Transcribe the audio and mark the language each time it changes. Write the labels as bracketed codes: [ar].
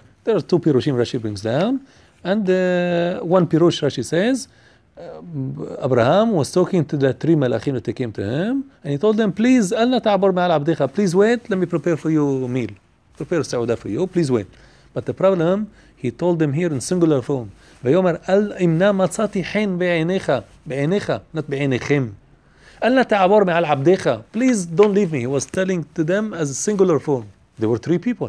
[en] There are two פירושים Rashi brings down, and one פירוש Rashi says Abraham was talking to the three מלאכים that came to him and he told them please [he] אל תעבור מעל עבדיך, [en] please wait, let me prepare for you a meal, prepare סעודה for you, please wait. But the problem, he told them here in singular form. [he] ויאמר, אל אמנה מצאתי חן בעיניך, בעיניך, [en] not [he] בעיניכם. אל תעבור מעל עבדיך. [en] Please don't leave me. He was telling to them as a singular form. There were three people.